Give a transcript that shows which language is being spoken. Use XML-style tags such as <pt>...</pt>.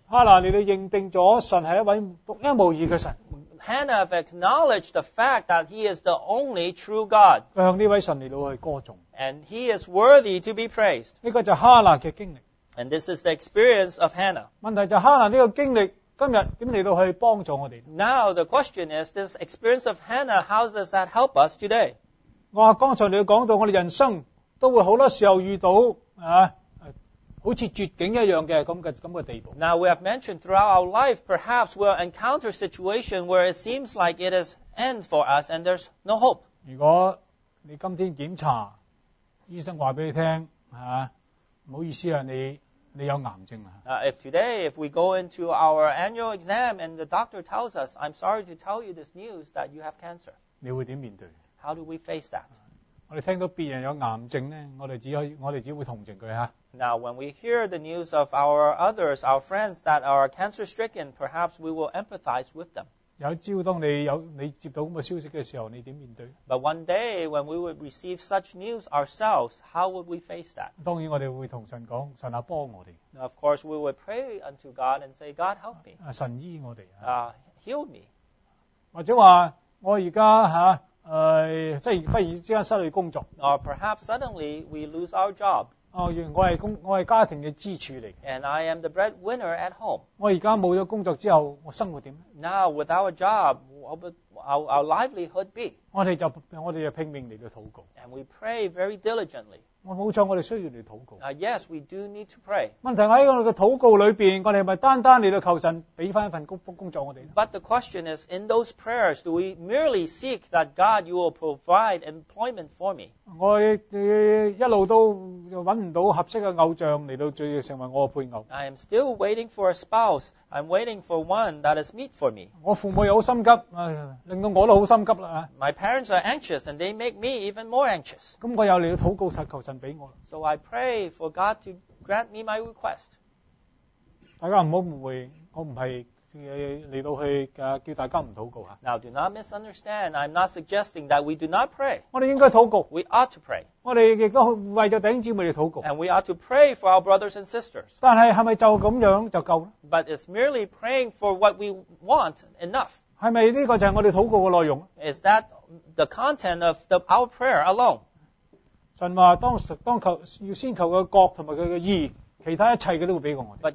<yue>哈蘭，你哋認定咗神係一位獨一無二嘅神。</yue> <en>Hannah have acknowledged the fact that He is the only true God.</en> <yue>向呢位神嚟到去歌頌。</yue> <en>And He is worthy to be praised.</en> <yue>呢個就哈蘭嘅經歷。</yue> <en>And this is the experience of Hannah.</en> <yue>問題就哈蘭呢個經歷今日點嚟到去幫助我哋。</yue> <en>Now the question is, this experience of Hannah, how does that help us today?</en> <yue>我話剛才你講到我哋人生都會好多時候遇到啊。好似絕境一樣嘅咁嘅地步。</yue> <en>Now we have mentioned throughout our life, perhaps we'll encounter a situation where it seems like it is end for us and there's no hope.</en> <yue>如果你今天檢查，醫生話俾你聽，嚇，唔好意思啊，你有癌症啊。</yue> <en>If today, if we go into our annual exam and the doctor tells us, I'm sorry to tell you this news that you have cancer.</en> <yue>你會點面對</yue> <en>？How do we face that？</en> <yue>我哋聽到別人有癌症咧，我哋只會同情佢嚇。</yue> <en>Now when we hear the news of our others, our friends that are cancer stricken, perhaps we will empathize with them.</en> <yue>有一朝當你接到咁嘅消息嘅時候，你點面對</yue> <en>？But one day when we would receive such news ourselves, how would we face that？</en> <yue>當然我哋會同神講，神啊幫我哋。</yue> <en>Of course we would pray unto God and say, God help me.</en> <yue>神醫我哋。</yue> <en>Heal me.</en> <yue>或者話我而家嚇。即係忽然之間失去工作。</yue> <en>Or perhaps suddenly we lose our job.</en> <yue>我係家庭嘅支柱嚟。</yue> <en>And I am the breadwinner at home.</en> <yue>我而家冇咗工作之後，我生活點</yue> <en>？Now without a job, what would our livelihood be?</en> <yue>我哋就拼命嚟到禱告。</yue> <en>And we pray very diligently.</en> <yue>我冇錯，我哋需要嚟禱告。</yue> <en>Yes, we do need to pray.</en> <yue>問題喺我哋嘅禱告裏邊，我哋係咪單單嚟到求神俾翻一份工作我哋</yue> <en>？But the question is, in those prayers, do we merely seek that God, you will provide employment for me?</en> <yue>我一路都揾唔到合適嘅偶像嚟到最成為我嘅配偶。</yue> <en>I am still waiting for a spouse. I'm waiting for one that is meet for me.</en> <yue>我父母又好心急，令到我都好心急啦。</yue> <en>My parents are anxious, and they make me even more anxious.</en> <yue>咁我又嚟到禱告求神。</yue> <en>So I pray for God to grant me my request.</en> <yue>大家唔好誤會，我唔係嚟到去叫大家唔禱告嚇。</yue> <en>Now do not misunderstand. I'm not suggesting that we do not pray.</en> <yue>我哋應該禱告。</yue> <en>We ought to pray.</en> <yue>我哋亦都為咗弟兄姊妹嚟禱告。</yue> <en>And we ought to pray for our brothers and sisters.</en> <yue>但係咪就咁樣就夠</yue> <en>？But it's merely praying for what we want enough.</en> <yue>係咪呢個就係我哋禱告嘅內容</yue> <en>？Is that the content of our prayer alone？</en> <yue>神话当求要先求个国同埋佢嘅义，其他一切嘅都会俾过我哋。</yue>